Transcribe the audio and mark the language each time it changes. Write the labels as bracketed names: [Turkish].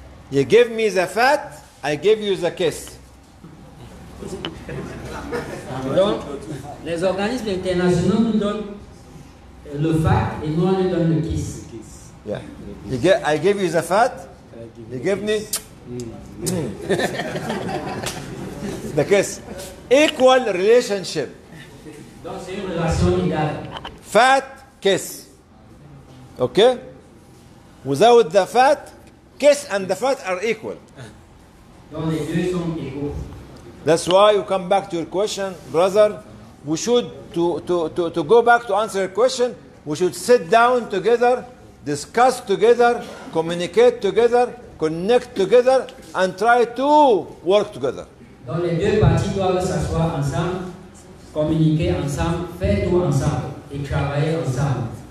[English] You give me the fat, I give you the kiss. [French] Donc, les organismes internationaux nous donnent le fat et nous on donne le kiss. [English] Yeah. You get, I give you the fat, you give me the kiss. Equal relationship. [French] Donc c'est une relation égale. [English] Fat, kiss. Okay? Without the fat, kiss and the fat are equal. [French] Donc les deux sont égaux. [English] That's why you come back to your question, brother. We should, to go back to answer your question, we should sit down together, discuss together, communicate together, connect together, and try to work together. [French] Donc les deux parties doivent s'asseoir ensemble, communiquer ensemble, faire tout ensemble, et travailler ensemble.